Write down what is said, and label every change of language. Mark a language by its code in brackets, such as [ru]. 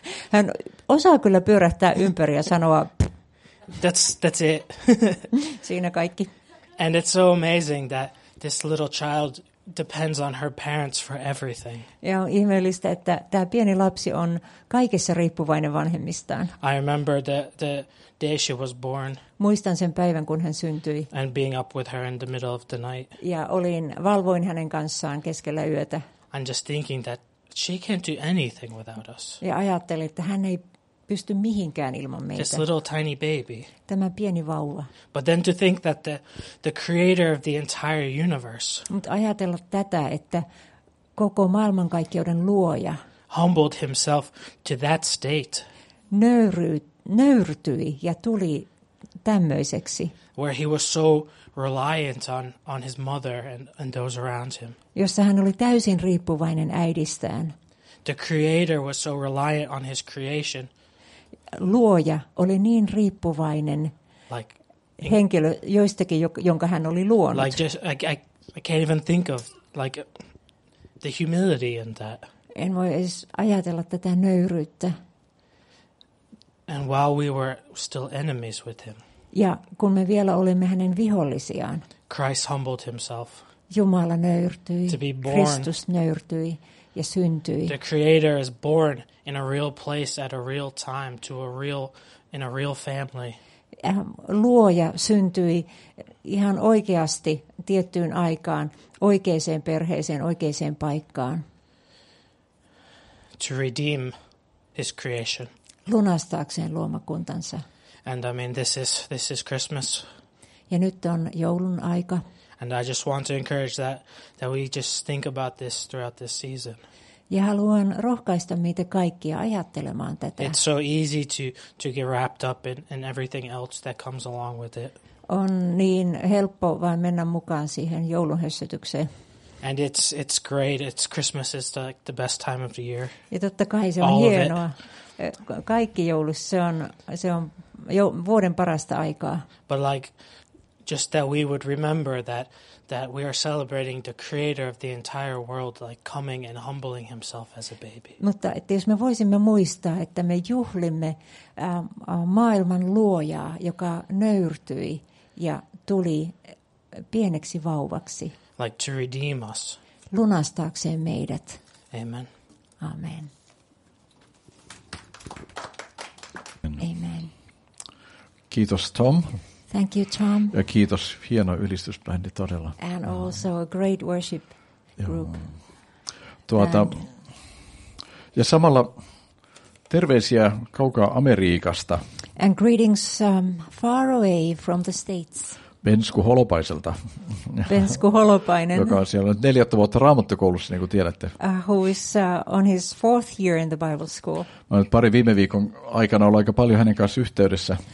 [fi] Hän osaa kyllä pyörähtää ympäri ja sanoa. [en] That's it. [fi] Siinä kaikki. [en] And it's so amazing that this little child depends on her parents for everything. [fi] Ja on ihmeellistä, että tämä pieni lapsi on kaikessa riippuvainen vanhemmistaan. [en] I remember the day she was born. [fi] Muistan sen päivän, kun hän syntyi. [en] And being up with her in the middle of the night. [fi] Ja valvoin hänen kanssaan keskellä yötä. [en] I'm just thinking that she can't do anything without us. [fi] Ja ajattelin, että hän ei pysty mihinkään ilman meitä. [en] This little tiny baby. [fi] Tämä pieni vauva. [en] But then to think that the creator of the entire universe. [fi] Mut ajatella tätä, että koko maailmankaikkeuden luoja [en] humbled himself to that state. [fi] Nöyrtyi ja tuli tämmöiseksi. [en] Where he was so reliant on his mother and those around him. [fi] Jossa hän oli täysin riippuvainen äidistään. [en] The creator was so reliant on his creation. [fi] Luoja oli niin riippuvainen [en] like, [fi] henkilö joistakin, jonka hän oli luonut. [en] Like just, I can't even think of like the humility in that. [fi] En voi edes ajatella tätä nöyryyttä. [en] And while we were still enemies with him. [fi] Ja kun me vielä olimme hänen vihollisiaan. [en] Christ humbled himself. [fi] Jumala nöyrtyi. [en] To be born. [fi] Kristus nöyrtyi. Ja syntyi. [en] The creator is born in a real place at a real time to a real in a real family. [fi] Luoja syntyi ihan oikeasti tiettyyn aikaan, oikeaan perheeseen, oikeaan paikkaan. [en] To redeem his creation. [fi] Lunastaakseen luomakuntansa. [en] And I mean this is Christmas. [fi] Ja nyt on joulun aika. [en] And I just want to encourage that we just think about this throughout this season. [fi] Ja haluan rohkaista meitä kaikkia ajattelemaan tätä. [en] It's so easy to get wrapped up in everything else that comes along with it. [fi] On niin helppo vain mennä mukaan siihen joulunhössötykseen. [en] And it's great. It's Christmas is like the best time of the year. [fi] Ja totta kai se on all hienoa. Kaikki joulussa se on vuoden parasta aikaa. [en] But like just that we would remember that we are celebrating the creator of the entire world like coming and humbling himself as a baby. [fi] Mutta että jos me voisimme muistaa, että me juhlimme maailman luojaa, joka nöyrtyi ja tuli pieneksi vauvaksi. [en] Like to redeem us. [fi] Lunastaakseen meidät. Amen. Amen. Amen. Kiitos Tom. [en] Thank you, Tom. [fi] Ja kiitos, hieno ylistysbändi todella. [en] And also a great worship group. [fi] Ja samalla terveisiä kaukaa Amerikasta. [en] And greetings far away from the States. [fi] Bensku Holopaiselta. Bensku Holopainen. Joka on siellä nyt 4. vuotta raamattokoulussa, niin kuin tiedätte. [en] Who is on his 4th year in the Bible school. [fi] Mä olen pari viime viikon aikana ollut aika paljon hänen kanssa yhteydessä.